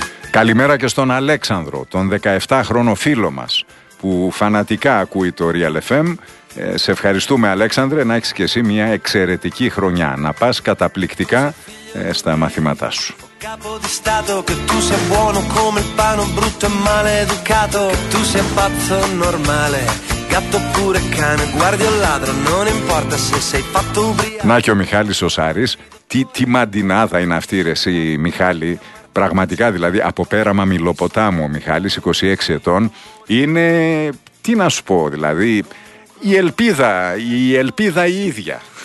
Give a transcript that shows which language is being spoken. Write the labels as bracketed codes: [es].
[el] Καλημέρα και στον Αλέξανδρο, τον 17χρονο φίλο μας, που φανατικά ακούει το Real FM. Σε ευχαριστούμε Αλέξανδρε, να έχεις και εσύ μια εξαιρετική χρονιά, να πας καταπληκτικά στα μαθήματά σου. [it] Capo di stato, che tu sia buono come il pane, brutto e maleducato, che tu sia pazzo normale, gatto pure cane, guardi o ladro, non importa se sei fatto ubriaco. [el] Να και ο Μιχάλης ο Σάρης, τι μαντινάδα είναι αυτή ρε εσύ Μιχάλη, πραγματικά δηλαδή από πέρα μαμιλοποτάμου ο Μιχάλης, 26 ετών, είναι, τι να σου πω δηλαδή, η ελπίδα η ίδια.